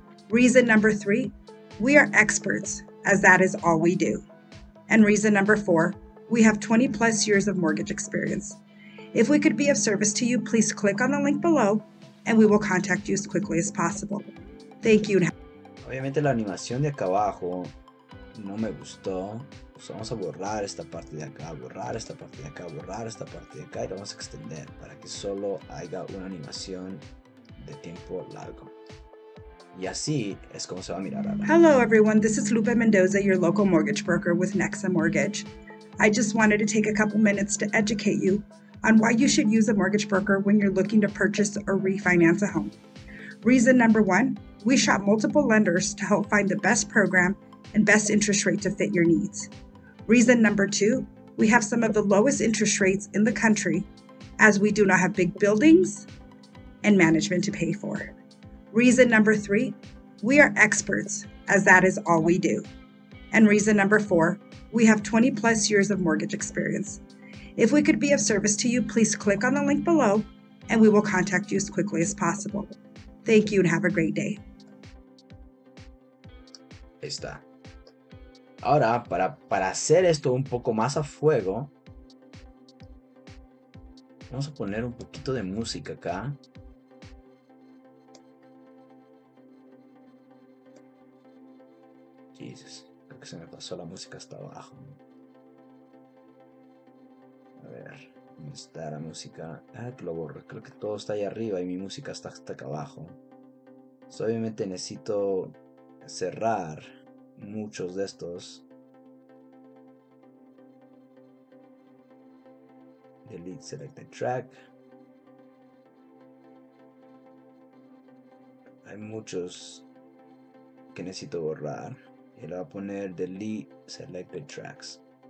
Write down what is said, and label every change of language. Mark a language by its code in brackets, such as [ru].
[en] Reason number three, we are experts, as that is all we do. And reason number four, we have 20 plus years of mortgage experience. If we could be of service to you, please click on the link below and we will contact you as quickly as possible. Thank you. [es] Obviamente la animación de acá abajo no me gustó. Pues vamos a borrar esta parte de acá, borrar esta parte de acá, borrar esta parte de acá y lo vamos a extender para que solo haya una animación de tiempo largo. Y así es como se va a mirar. [en] Hello everyone, this is Lupe Mendoza, your local mortgage broker with Nexa Mortgage. I just wanted to take a couple minutes to educate you on why you should use a mortgage broker when you're looking to purchase or refinance a home. Reason number one, we shop multiple lenders to help find the best program and best interest rate to fit your needs. Reason number two, we have some of the lowest interest rates in the country as we do not have big buildings and management to pay for. Reason number three, we are experts, as that is all we do. And reason number four, we have 20 plus years of mortgage experience. If we could be of service to you, please click on the link below and we will contact you as quickly as possible. Thank you and have a great day. [es] Ahí está. Ahora, para hacer esto un poco más a fuego, vamos a poner un poquito de música acá. Jesus, creo que se me pasó la música hasta abajo. A ver, ¿dónde está la música? Ah, que lo borro. Creo que todo está ahí arriba y mi música está hasta acá abajo. So, obviamente necesito cerrar muchos de estos. [en] Delete selected track. [es] Hay muchos que necesito borrar. Y le voy a poner [en] delete selected tracks.